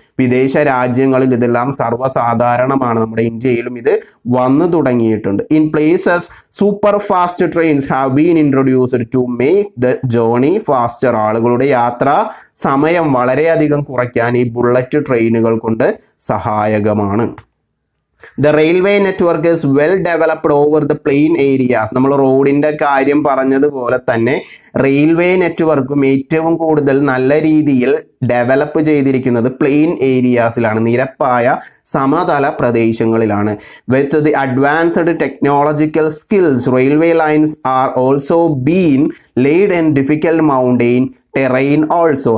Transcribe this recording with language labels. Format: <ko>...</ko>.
<ml>വിദേശ രാജ്യങ്ങളിൽ ഇതെല്ലാം സർവ്വസാധാരണമാണ്. നമ്മുടെ ഇന്ത്യയിലും ഇത് വന്നു തുടങ്ങിയിട്ടുണ്ട്.</ml> <en>In places super fast trains have been introduced to make the journey faster.</en> <ml>ആളുകളുടെ യാത്ര സമയം വളരെയധികം കുറയ്ക്കാൻ ഈ ബുള്ളറ്റ് ട്രെയിനുകൾ കൊണ്ട് സഹായകമാണ്.</ml> <en>The railway network is well developed over the plain areas.</en> <ml>നമ്മൾ റോഡിൻ്റെ കാര്യം പറഞ്ഞതുപോലെ തന്നെ റെയിൽവേ നെറ്റ്വർക്കും ഏറ്റവും കൂടുതൽ നല്ല രീതിയിൽ ഡെവലപ്പ് ചെയ്തിരിക്കുന്നത് പ്ലെയിൻ ഏരിയാസിലാണ്, നിരപ്പായ സമതല പ്രദേശങ്ങളിലാണ്.</ml> <en>With the advanced technological skills railway lines are also been laid in difficult mountain terrain also.</en>